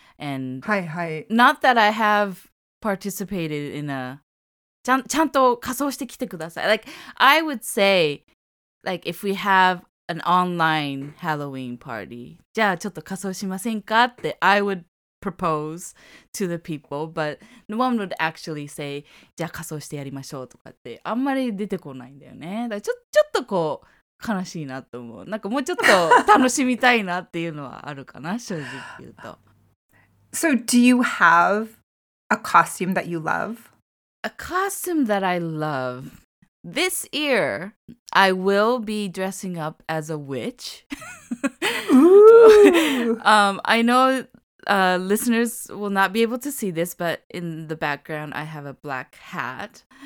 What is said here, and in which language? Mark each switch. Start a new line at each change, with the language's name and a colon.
English: And not that I have participated in a...
Japanese: ちゃんと仮装してきてください。
English: Like, I would say, like, if we have an online Halloween party,
Japanese: じゃあちょっと仮装しませんかって
English: I would propose to the people, but no one would actually say,
Japanese: じゃあ仮装してやりましょうとかってあんまり出てこないんだよね。だからちょっとこう、悲しいなと思う。なんかもうちょっと楽しみたいなっていうのはあるかな、正直言うと。
English: So, do you have a costume that you love? A costume that I love. This year, I will be dressing up as a witch. I know listeners will not be able to see this, but in the background, I have a black hat.